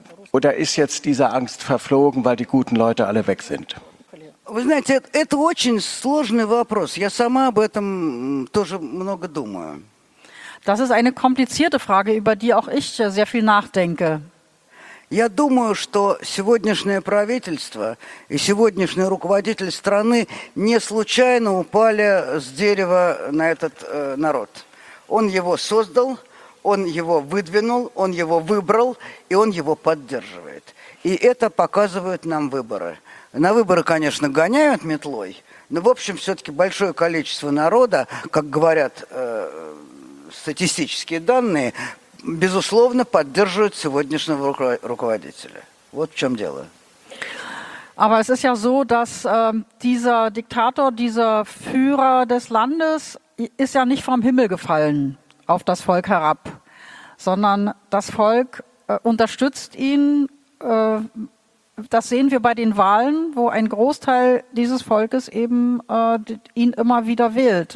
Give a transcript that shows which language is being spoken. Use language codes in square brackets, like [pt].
[de] Oder ist jetzt diese Angst verflogen, weil die guten Leute alle weg sind? [ru] Вы знаете, это очень сложный вопрос. Я сама об этом тоже много думаю. [de] Das ist eine komplizierte Frage, über die auch ich sehr viel nachdenke. [ru] Я думаю, что сегодняшнее правительство и сегодняшний руководитель страны не случайно упали с дерева на этот народ. Он его создал, он его выдвинул, он его выбрал, и он его поддерживает. И это показывают нам выборы. На выборы, конечно, гоняют метлой, но, в общем, все-таки большое количество народа, как говорят статистические данные, безусловно, поддерживает сегодняшнего руководителя. Вот в чем дело. [de] Aber es ist ja so, dass dieser Diktator, dieser Führer des Landes, ist ja nicht vom Himmel gefallen auf das Volk herab, sondern das Volk unterstützt ihn. Das sehen wir bei den Wahlen, wo ein Großteil dieses Volkes eben ihn immer wieder wählt.